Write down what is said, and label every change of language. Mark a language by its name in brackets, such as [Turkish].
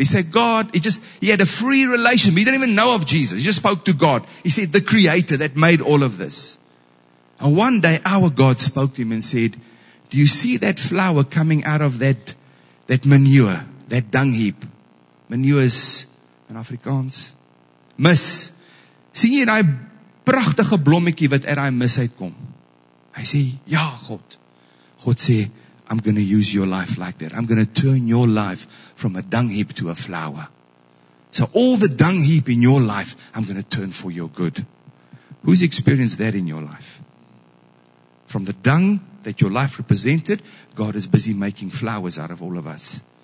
[English] He said, God, he had a free relationship. He didn't even know of Jesus. He just spoke to God. He said, the creator that made all of this. And one day our God spoke to him and said, do you see that flower coming out of that manure, that dung heap? Manure is in Afrikaans. Mis. [Afrikaans] Sien jy daai pragtige blommetjie wat uit daai mis uitkom? Hy sê, ja, God. God sê, [English] I'm going to use your life like that. I'm going to turn your life from a dung heap to a flower. So all the dung heap in your life, I'm going to turn for your good. Who's experienced that in your life? From the dung that your life represented, God is busy making flowers out of all of us.